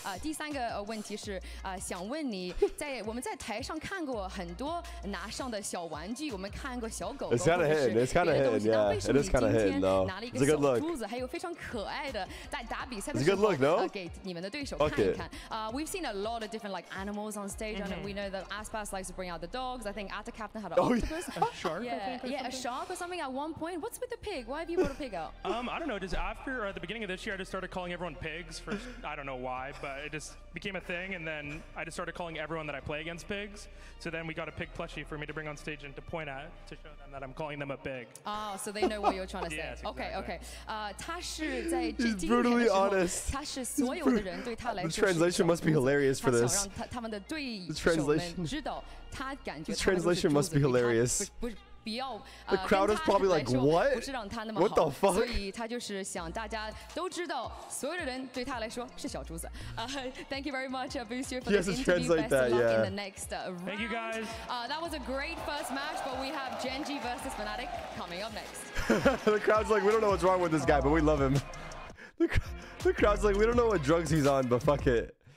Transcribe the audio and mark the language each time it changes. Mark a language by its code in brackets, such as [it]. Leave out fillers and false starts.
[zh] 第三个问题是想问你，在我们在台上看过很多拿上的小玩具，我们看过小狗狗，或者是别的东西，但为什么你今天拿了一个小珠子，还有非常可爱的，在打比赛的时候给你们的对手看一看？ [en] We've seen a lot of different like animals on stage, and we know that Aspas likes to bring out the dogs. I think Atta Captain had an octopus. A shark or something at one point. What's with the pig? Why have you brought a pig out? I don't know. Just after or at the beginning of this year, I just started calling everyone pigs. For, I don't know why, but it just became a thing. And then I just started calling everyone that I play against pigs. So then we got a pig plushie for me to bring on stage and to point at to show them that I'm calling them a pig. Oh, so they know what you're trying to say. Yes, exactly. Okay. He's brutally honest. The translation must be hilarious for this. The translation must be hilarious. The crowd is probably like, what? What the fuck? [zh] 所以他就是想大家都知道，所有的人对他来说是小珠子。 [en] Thank you very much, Boostio, for this interview. Best of luck in the next round. Thank you, guys. That was a great first match, but we have Genji versus Fnatic coming up next. The crowd's like, we don't know what's wrong with this guy, but we love him. The crowd's like, we don't know what drugs he's on, but fuck it.